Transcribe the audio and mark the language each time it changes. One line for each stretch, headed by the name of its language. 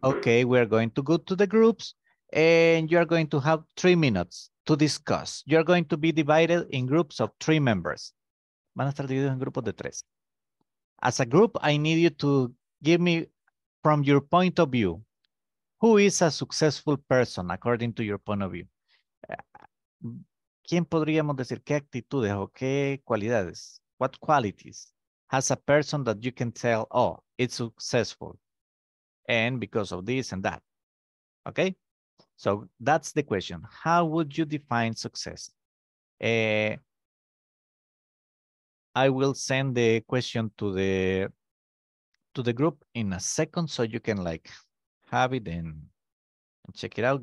English: Okay, we are going to go to the groups and you are going to have 3 minutes to discuss. You are going to be divided in groups of 3 members.
Spanish: Van a estar divididos en grupos de 3.
English: As a group, I need you to give me from your point of view, who is a successful person according to your point of view?
Spanish: ¿Quién podríamos decir qué actitudes o qué cualidades?
English: What qualities has a person that you can tell, oh, it's successful and because of this and that? Okay, so that's the question. How would you define success? I will send the question to the group in a second so you can like have it and check it out.